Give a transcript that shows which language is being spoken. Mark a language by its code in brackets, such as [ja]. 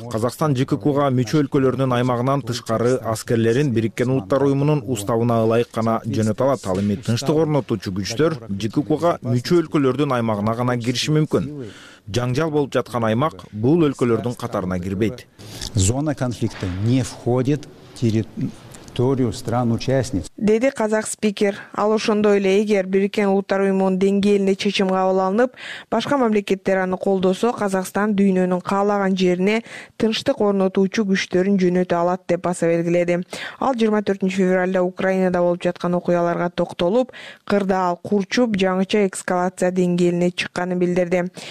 [ky] Казакстан ЖКК'га мүчө өлкөлөрүнүн аймагынан тышкары аскерлерин Бириккен Улуттар Уюмунун уставына ылайык гана жөнөтө алат. Ал эми тынчтык орнотуучу күчтөр ЖКК'га мүчө өлкөлөрдүн аймагына гана кириши мүмкүн. Жаңжал болуп жаткан аймак бул өлкөлөрдүн катарына кирбейт. [ru] Зона конфликта не входит территорию стран-участниц. [ky] Деди казах спикер. Ал ошондой эле эгер Бирикен Улуттар Уюмунун деңгээлинде чечим кабыл алынып, башка мамлекеттер аны колдосо, Казакстан дүйнөнүн каалаган жерине тынчтык орнотуучу күчтөрүн жөнөтө алат деп баса белгиледи. Ал 24 февралда Украинада болуп жаткан окуяларга токтолуп, кырдаал курчуп, жаңыча эскалация деңгээлине чыкканын билдирди.